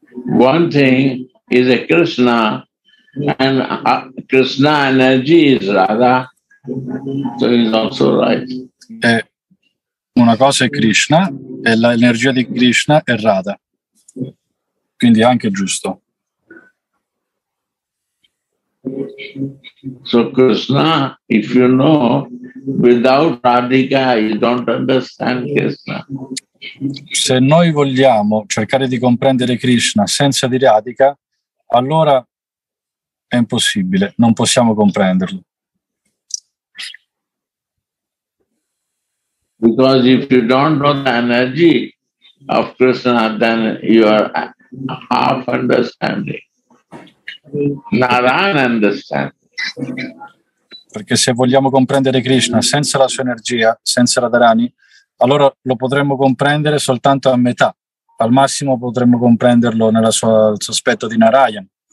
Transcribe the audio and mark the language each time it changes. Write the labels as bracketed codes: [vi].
[en] One thing is a Krishna, and Krishna energy is Radha, so it's also right. [it] E una cosa è Krishna, e l'energia di Krishna è Radha. Quindi anche giusto. [en] So Krishna, if you know, without Radhika, you don't understand Krishna. [it] Se noi vogliamo cercare di comprendere Krishna senza di Radhika, allora è impossibile, non possiamo comprenderlo. [en] Because if you don't know the energy of Krishna, then you are half understanding. Narayana understand. [it] Perché se vogliamo comprendere Krishna senza la sua energia, senza Radharani, allora lo potremmo comprendere soltanto a metà. Al massimo potremmo comprenderlo nella sua, nel suo aspetto di Narayana.